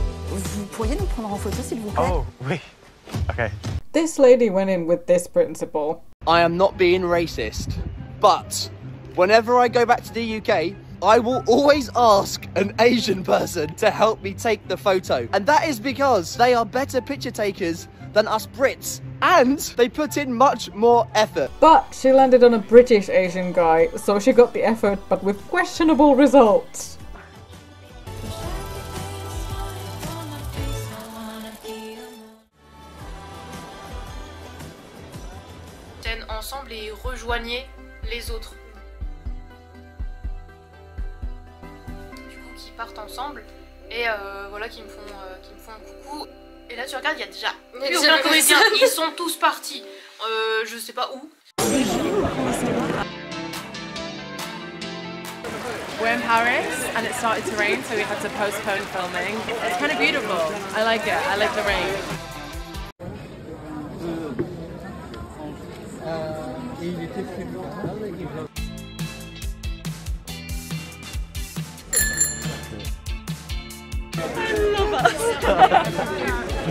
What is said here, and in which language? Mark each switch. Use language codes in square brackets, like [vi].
[fr] Vous pourriez nous prendre en photo, s'il vous plaît? Oh, oui. Okay. [en] This lady went in with this principle. I am not being racist, but whenever I go back to the UK, I will always ask an Asian person to help me take the photo. And that is because they are better picture takers than us Brits. And they put in much more effort. But she landed on a British Asian guy, so she got the effort, but with questionable results. [fr] Tenez ensemble et rejoignez les autres. Du coup, qui partent ensemble et voilà, qui me font un coucou. Et là tu regardes, il y a déjà plein de comédiens, ils sont tous partis, je sais pas où. [en] We're in Paris and it started to rain, so we had to postpone filming. It's kind of beautiful. I like it. I like the rain.